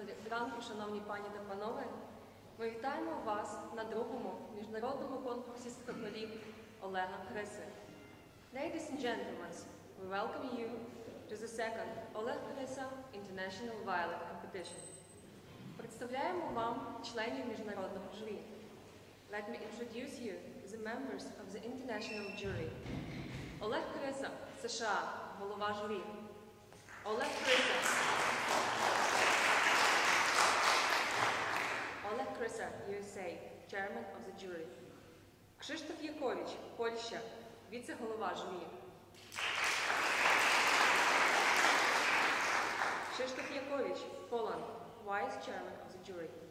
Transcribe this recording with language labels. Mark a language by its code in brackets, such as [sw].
[uk] ранку, шановні пані та панове. Ми вітаємо вас на другому міжнародному конкурсі скакунів Олега Криси. [en] Ladies and gentlemen, we welcome you to the second Oleh Krysa International Violin Competition. [uk] Представляємо вам членів міжнародного журі. [en] Let me introduce you to the members of the international jury. [uk] Олег Криса, США, голова журі. Олег Криса. [en] Олег Криса, USA, chairman of the jury. [uk] Кшиштоф Якович, Польща, віце-голова журі. [en] Кшиштоф Якович, Poland, vice chairman of the jury.